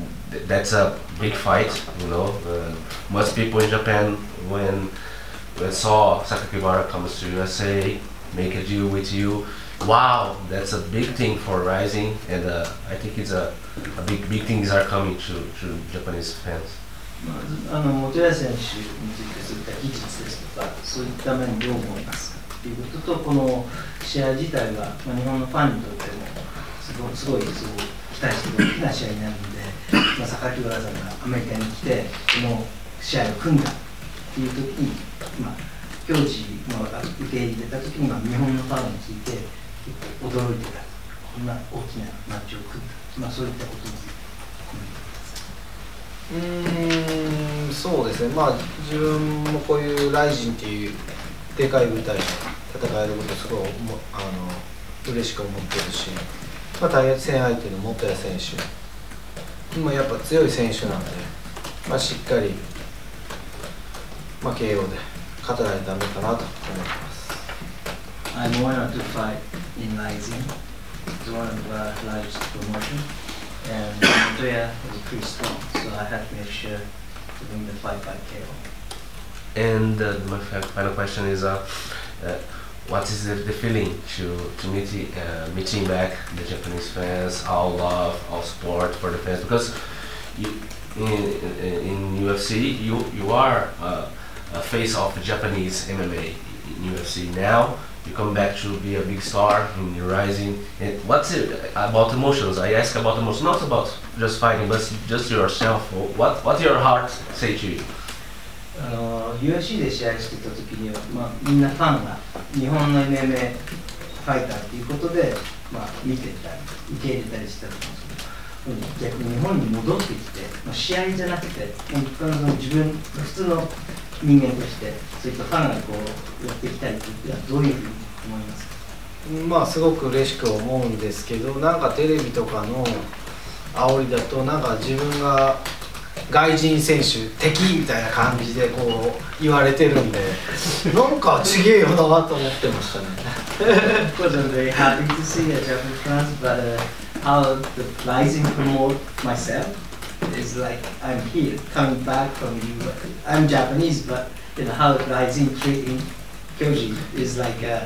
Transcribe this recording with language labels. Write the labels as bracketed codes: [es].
[en] That's a big fight, you know. Most people in Japan, when saw Sakakibara comes to USA, make a deal with you, wow, that's a big thing for Rising, and I think it's a big things are coming to Japanese fans. [ja] ということと、この試合自体が、まあ、日本のファンにとってもすごい期待してくれた試合になるので、まあ、坂木原さんがアメリカに来てこの試合を組んだっていう時に、まあ、境地を受け入れた時に、まあ、日本のファンについて結構驚いてた、こんな大きなマッチを組んだ、まあ、そういったことにコメントください。そうですね、まあ、自分もこういうライジンっていうでかい舞台で戦えることすごい嬉しく思ってるし、まあ、対戦相手の元谷選手今やっぱ強い選手なんで、まあ、しっかり、まあ、KO で勝たないとダメかなと思ってます。 [en] I'm honored to fight in Rising. It's one of the largest promotion and 元谷is a pretty strong, so I have to make sure to win the fight by KO. And my final question is, what is the feeling to meeting back the Japanese fans, all love, all support for the fans? Because you, in UFC, you are a face of Japanese MMA in UFC. Now you come back to be a big star in your Rising. And what's it about emotions? I ask about emotions, not about just fighting, but just yourself. What your heart say to you? [ja] UFC で試合してた時には、まあ、みんなファンが日本の MMA ファイターということで、まあ、見てたり受け入れたりしてたんですけど、逆に日本に戻ってきて、まあ、試合じゃなくて本当の自分普通の人間としてそういったファンがこうやってきたりっていうのはどういうふうに思いますか？まあ、すごく嬉しく思うんですけど、なんかテレビとかの煽りだとなんか自分が外人選手敵みたいな感じでこう言われてるんで、なんか違えよなと思ってましたね。 [en] Of course, I'm very happy to see a Japanese fans, but how the Rising promote myself is like I'm here coming back from you. I'm Japanese, but you know how Rising treating Kyoji is like a